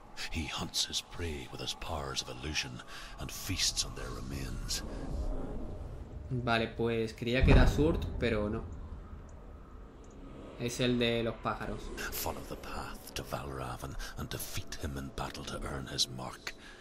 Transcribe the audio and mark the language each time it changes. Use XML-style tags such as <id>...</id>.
<en>He hunts his prey with his powers of illusion and feasts on their remains.</en> <es>Vale, pues creía que era Surt, pero no. Es el de los pájaros.</es> <en>Follow the path to Valravn and defeat him in battle to earn his mark.</en>